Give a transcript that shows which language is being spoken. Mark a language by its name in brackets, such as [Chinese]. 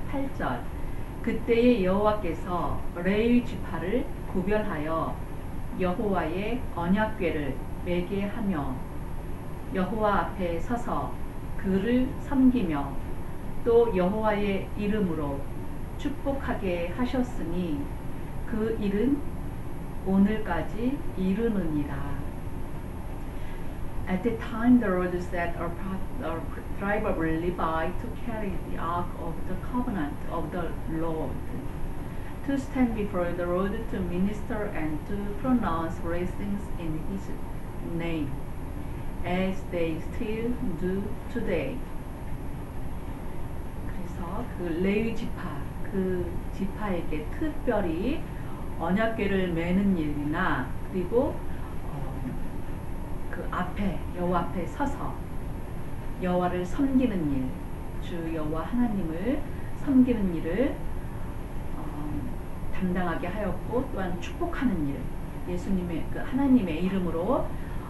[Korean] 8절 그때의 여호와께서 레위 지파를 구별하여 여호와의 언약궤를 매게 하며 여호와 앞에 서서 그를 섬기며 또 여호와의 이름으로 축복하게 하셨으니 그 일은 오늘까지 이르느니라. [English] At the time the Lord set a tribe of Levi to carry the ark of the covenant of the Lord, to stand before the Lord to minister and to pronounce blessings in his name. As they still do today. [Korean] 그래서 그 레위 지파, 그 지파에게 특별히 언약궤를 매는 일이나 그리고 그 앞에 여호와 앞에 서서 여호와를 섬기는 일, 주 여호와 하나님을 섬기는 일을 담당하게 하였고 또한 축복하는 일, 예수님의 그 하나님의 이름으로.